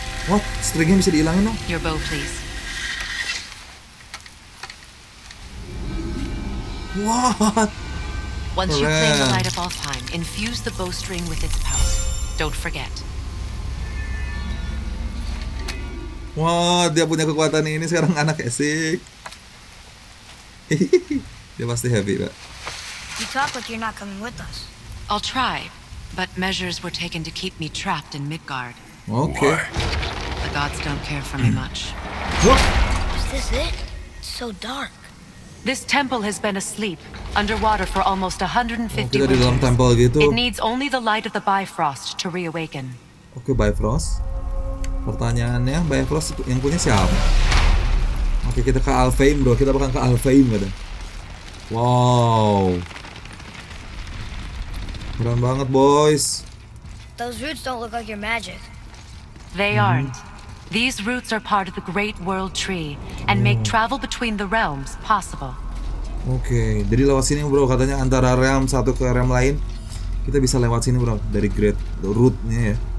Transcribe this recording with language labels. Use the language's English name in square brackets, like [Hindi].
[Indonesian] What? Stringnya bisa dihilangin dong? [English] Your bow, please. What? Once you claim the light of Alfheim, infuse the bowstring with its power. Don't forget. [Indonesian] Wah, dia punya kekuatan ini sekarang anak esik. Dia pasti happy, Pak. [English] You talk like you're not coming with us. I'll try, but measures were taken to keep me trapped in Midgard. Okay. The gods don't care for me much. Is this it? It's so dark. This temple has been asleep, underwater for almost 150 years. [Indonesian] Kita di dalam temple gitu. [English] It needs only the light of the Bifrost to reawaken. Okay, Bifrost. [Indonesian] Pertanyaannya, Bifrost yang punya siapa? Okay, kita ke Alfheim bro. Kita bakal ke Alfheim gitu. Wow. Keren banget, boys. [English] Those roots don't look like your magic. They aren't. These roots are part of the Great World Tree and make travel between the realms possible. [Indonesian] Okay, jadi lewat sini bro, katanya antara realm satu ke realm lain kita bisa lewat sini bro, dari Great Root-nya ya.